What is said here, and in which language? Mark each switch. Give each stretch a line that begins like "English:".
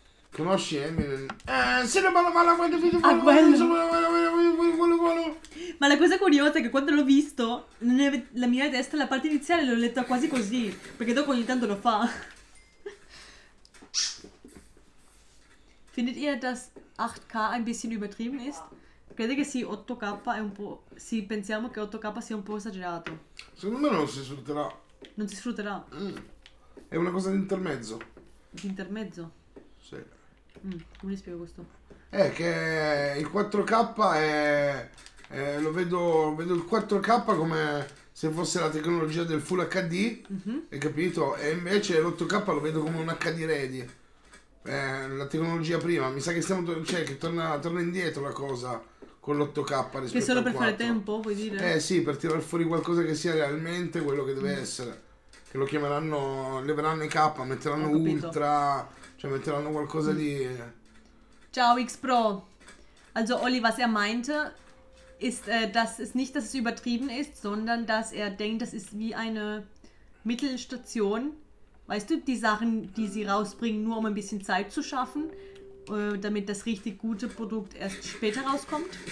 Italian: Conosci Eminem? Se ne parla male, ma la cosa curiosa è che quando l'ho visto la mia testa, la parte iniziale l'ho letta quasi così, perché dopo ogni tanto lo fa.
German: Findet ihr, dass 8K ein bisschen übertrieben ist?
Italian: Credete che sì, 8K è un po'... sì, pensiamo che 8K sia un po' esagerato. Secondo me non si sfrutterà. Non si sfrutterà? È una cosa di intermezzo. Di intermezzo? Sì. Come mi spiego questo? Che il 4K è lo vedo il 4K come se fosse la tecnologia del Full HD, hai capito? E invece l'8K lo vedo come un HD ready, la tecnologia prima, mi sa che stiamo, cioè che torna indietro la cosa con l'8K rispetto al 4. Che solo per 4. Fare tempo, vuoi dire? Sì, per tirar fuori qualcosa che sia realmente quello che deve essere, che lo chiameranno, leveranno i K, metteranno Ultra, cioè metteranno qualcosa di... Ciao X-Pro.
German: Also Oli, was er meinte, ist, dass es nicht, dass es übertrieben ist, sondern dass er denkt, das ist wie eine Mittelstation. Weißt du, die Sachen, die sie rausbringen, nur um ein bisschen Zeit zu schaffen, damit das richtig gute Produkt erst später rauskommt.